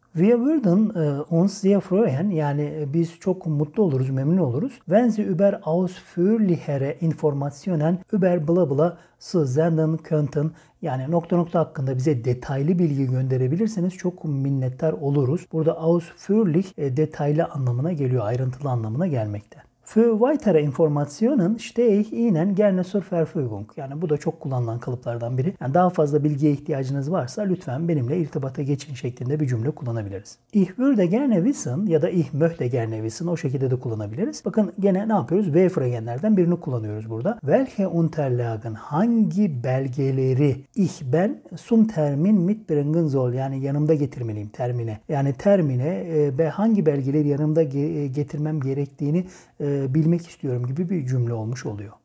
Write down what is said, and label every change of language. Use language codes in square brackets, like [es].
[de] Wir würden uns sehr freuen, [tr] yani biz çok mutlu oluruz, memnun oluruz. [de] Wenn Sie über ausführlichere Informationen über bla bla zu senden könnten, [tr] yani nokta nokta hakkında bize detaylı bilgi gönderebilirseniz çok minnettar oluruz. Burada ausführlich detaylı anlamına geliyor, ayrıntılı anlamına gelmekte. [de] Für weitere Informationen stehe ich Ihnen gerne zur Verfügung. [tr] Yani bu da çok kullanılan kalıplardan biri. Yani daha fazla bilgiye ihtiyacınız varsa lütfen benimle irtibata geçin şeklinde bir cümle kullanabiliriz. [de] Ich würde gerne wissen [tr] ya da [de] ich möchte gerne wissen, [tr] o şekilde de kullanabiliriz. Bakın gene ne yapıyoruz? W-fragenlerden birini kullanıyoruz burada. [de] Welche Unterlagen, [tr] hangi belgeleri ich ben [de] zum Termin mitbringen soll, [tr] yani yanımda getirmeliyim termine. Yani termine ve hangi belgeleri yanımda getirmem gerektiğini bilmek istiyorum gibi bir cümle olmuş oluyor.